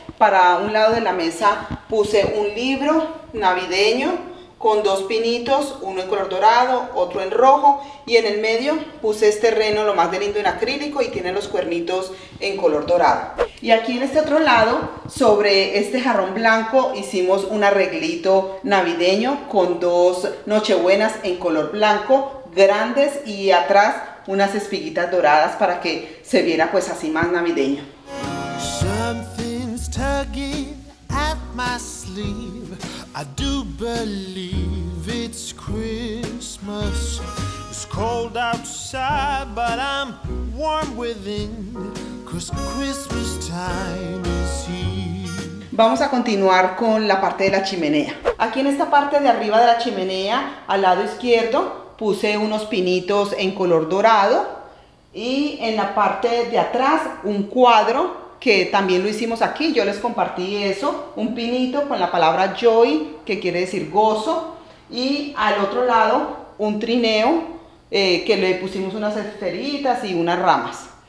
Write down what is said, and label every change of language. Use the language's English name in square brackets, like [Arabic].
[Spanish] Para un lado de la mesa puse un libro navideño con dos pinitos, uno en color dorado, otro en rojo, y en el medio puse este reno, lo más de lindo, en acrílico, y tiene los cuernitos en color dorado. Y aquí en este otro lado, sobre este jarrón blanco, hicimos un arreglito navideño con dos nochebuenas en color blanco grandes, y atrás unas espiguitas doradas para que se viera pues así más navideño. [English] Something's tugging at my sleeve. I do believe it's Christmas. It's cold outside, but I'm warm within, 'cause Christmas time is here. [Spanish] Vamos a continuar con la parte de la chimenea. Aquí en esta parte de arriba de la chimenea, al lado izquierdo, puse unos pinitos en color dorado, y en la parte de atrás un cuadro que también lo hicimos aquí. Yo les compartí eso, un pinito con la palabra joy, que quiere decir gozo, y al otro lado un trineo que le pusimos unas esferitas y unas ramas.